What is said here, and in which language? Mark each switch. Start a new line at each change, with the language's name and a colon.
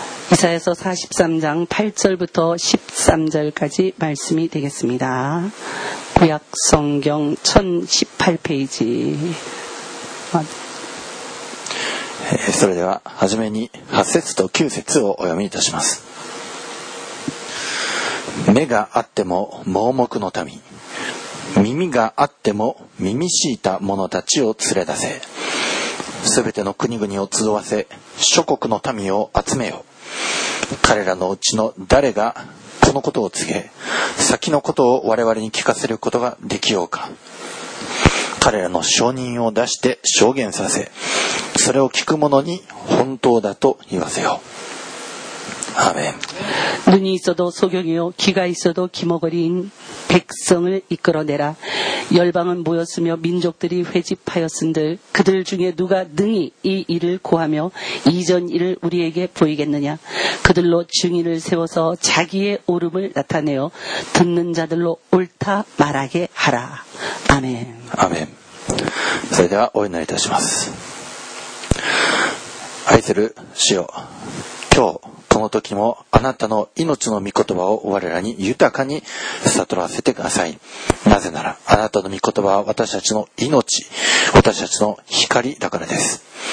Korean: 이사야서43장8절부터13절까지말씀이되겠습니다구약성경1018페이지
Japanese: それでは初めに8節と9節をお読みいたします。目があっても盲目の民、耳があっても耳しいた者たちを連れ出せ。すべての国々を集わせ、諸国の民を集めよ。彼らのうちの誰がこのことを告げ、先のことを我々に聞かせることができようか。彼らの証人を出して証言させ、それを聞く者に本当だと言わせよ。
Korean: 아멘. 눈이 있어도 소경이요, 귀가 있어도 귀머거리인 백성을 이끌어내라. 열방은 모였으며 민족들이 회집하였은들, 그들 중에 누가 능히 이 일을 구하며 이전 일을 우리에게 보이겠느냐. 그들로 증인을 세워서 자기의 옳음을 나타내어 듣는 자들로 옳다 말하게 하라. 아멘. 아멘.
Japanese: それでは お祈りいたします。愛する主よ、今日その時もあなたの命の御言葉を我らに豊かに悟らせてください。なぜならあなたの御言葉は私たちの命、私たちの光だからです。